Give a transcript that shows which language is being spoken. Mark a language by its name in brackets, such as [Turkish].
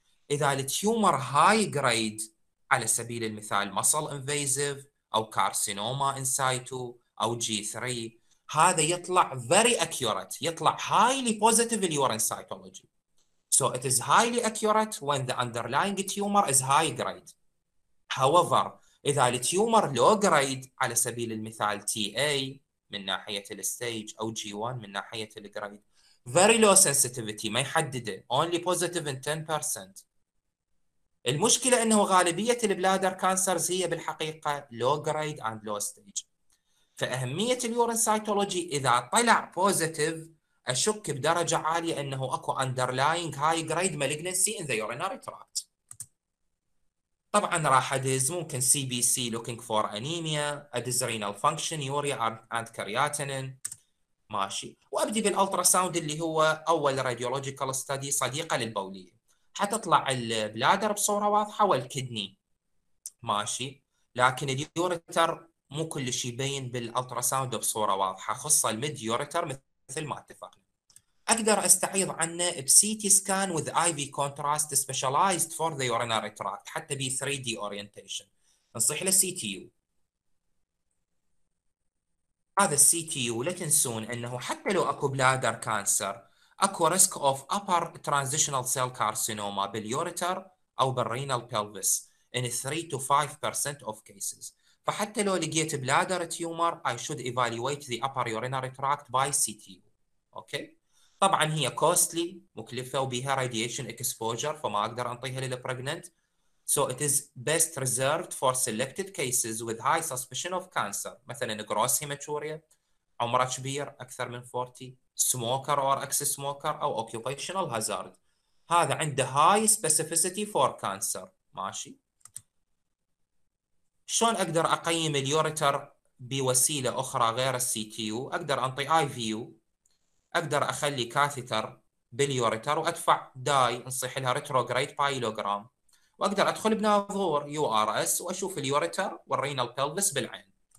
[English] اذا التيومر high grade [Arabic] على سبيل المثال [English] muscle invasive او carcinoma in situ او G 3 [Arabic] هذا يطلع [English] Very accurate يطلع highly positive اليورين cytology. So it is highly accurate when the underlying tumour is high grade. However [Arabic] اذا [English] التيومر low grade [Arabic] على سبيل المثال تي اي من ناحيه الستيج او [English] G 1 [Arabic] من ناحيه الجريد [English] very low sensitivity [Arabic] ما يحدده [English] only positive in 10%. [Arabic] المشكلة أنه غالبية البلادر كانسرز هي بالحقيقة [English] low grade and low stage. [Arabic] فأهمية اليورين سايتولوجي إذا طلع positive أشك بدرجة عالية أنه أكو [English] underlying high grade malignancy in the urinary tract. [Arabic] طبعا راح أدز ممكن [English] CBC looking for anemia, أدز renal function, urea and creatinine. [Arabic] ماشي. وأبدي بالألتراساوند اللي هو أول [English] radiological study [Arabic] صديقة للبولية. حتطلع البلادر بصورة واضحة والكدني. ماشي. لكن اليوريتر مو كل شيء يبين بالألتراساوند بصورة واضحة، خصوصا الميد يوريتر مثل ما اتفقنا. أقدر أستعيض عنه بـ [English] CT scan with IV contrast specialized for the urinary tract حتى بـ 3D orientation. [Arabic] انصح له CTU. هذا الـ CTU لا تنسون أنه حتى لو أكو بلادر كانسر أكو [English] risk of upper transitional cell carcinoma [Arabic] باليوريتر أو بالرينال pelvis [English] in 3 to 5% of cases. [Arabic] فحتى لو لقيت بلادر تيومر [English] I should evaluate the upper urinary tract by CTU. [Arabic] أوكي؟ طبعا هي كوستلي مكلفه وبها راديشن اكسبوجر فما اقدر انطيها للبريجننت. [English] So it is best reserved for selected cases with high suspicion of cancer. مثلا gross hematuria [Arabic] عمره كبير اكثر من 40 [English] smoker or ex smoker او occupational hazard. [Arabic] هذا عنده [English] high specificity for cancer. [Arabic] ماشي. شلون اقدر اقيم اليوريتر بوسيله اخرى غير السي تي يو؟ اقدر انطي اي في يو، اقدر اخلي كاثيتر باليوريتر وادفع داي انصح لها ريتروجريد بايلوجرام، واقدر ادخل بناظور يو ار اس واشوف اليوريتر والرينال بيلفس بالعين.